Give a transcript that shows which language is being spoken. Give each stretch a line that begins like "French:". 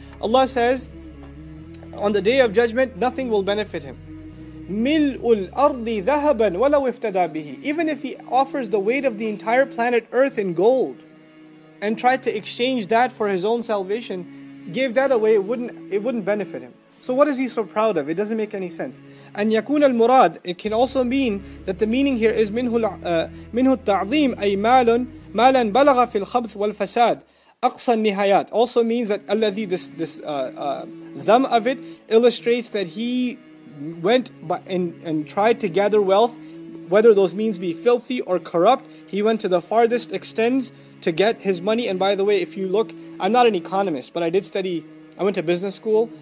English: Allah says, on the Day of Judgment, nothing will benefit him.
Arabic: مِلْءُ الْأَرْضِ ذَهَبًا وَلَوْ افْتَدَى بِهِ
English: Even if he offers the weight of the entire planet Earth in gold and tried to exchange that for his own salvation, gave that away, it wouldn't benefit him. So what is he so proud of? It doesn't make any sense.
Arabic: And يكون المراد,
English: it can also mean that the meaning here is
Arabic: منه التعظيم أي مالا بلغ في الخبث والفساد أقصى النهايات.
English: Also means that الذي this of it illustrates that he went by and tried to gather wealth, whether those means be filthy or corrupt. He went to the farthest extents to get his money. And by the way, if you look, I'm not an economist, but I did study. I went to business school.